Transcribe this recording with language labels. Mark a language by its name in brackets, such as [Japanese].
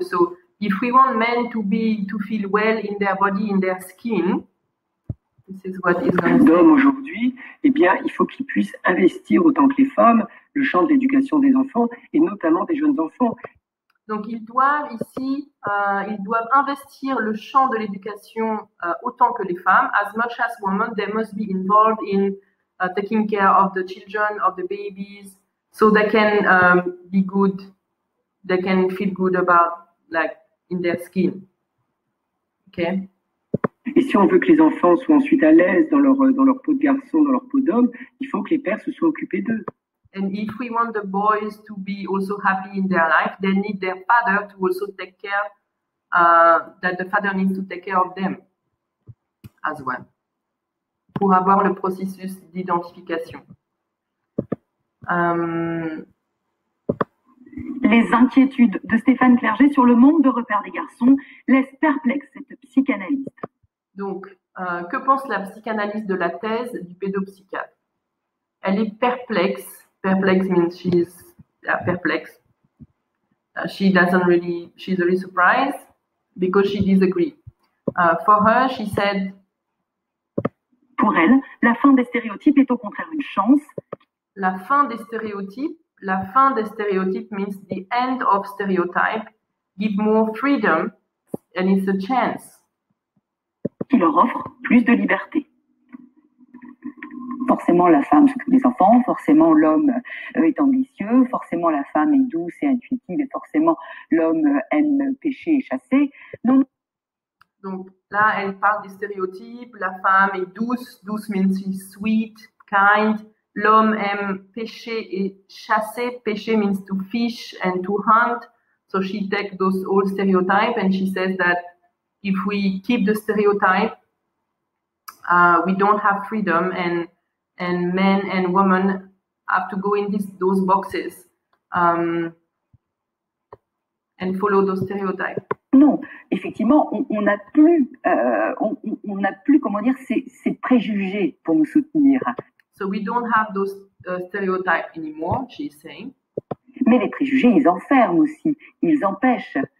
[English] So, if we want men to feel well in their body, in their skin, [French] d'hommes aujourd'hui, eh bien, il faut qu'ils puissent investir autant que les femmes le champ de l'éducation des enfants et notamment des jeunes enfants. Donc ils doivent ici, ils doivent investir le champ de l'éducation autant que les femmes. [English] As much as women, they must be involved in taking care of the children, of the babies, so they can be good, they can feel good about like in their skin. Okay. [French] Et si on veut que les enfants soient ensuite à l'aise dans leur peau de garçon, dans leur peau d'homme, il faut que les pères se soient occupés d'eux. [English] And if we want the boys to be also happy in their life, they need their father to also take care, that the father needs to take care of them as well, [French] pour avoir le processus d'identification. Les inquiétudes de Stéphane Clergé sur le manque de repères des garçons laissent perplexe cette psychanalyste. Donc, que pense la psychanalyste de la thèse du pédopsychiatre? Elle est perplexe. [English] Perplexe means she's perplexe. She doesn't really, she's really surprised because she disagrees. For her, she said... [French] Pour elle, la fin des stéréotypes est au contraire une chance. La fin des stéréotypes [English] means the end of stereotype. Give more freedom and it's a chance. [French] Qui leur offre plus de liberté. Forcément, la femme s'occupe des enfants, forcément, l'homme est ambitieux, forcément, la femme est douce et intuitive, et forcément, l'homme aime pêcher et chasser. Donc là, elle parle des stéréotypes, la femme est douce, [English] douce means she's sweet, kind, [French] l'homme aime pêcher et chasser, [English] pêcher means to fish and to hunt, so she takes those old stereotypes and she says that if we keep the stereotype, we don't have freedom, and men and women have to go in those boxes and follow those stereotypes. [French] Non, effectivement, on n'a plus, comment dire, ces préjugés pour nous soutenir. [English] So we don't have those stereotypes anymore, she's saying. [French] Mais les préjugés, ils enferment aussi, ils empêchent.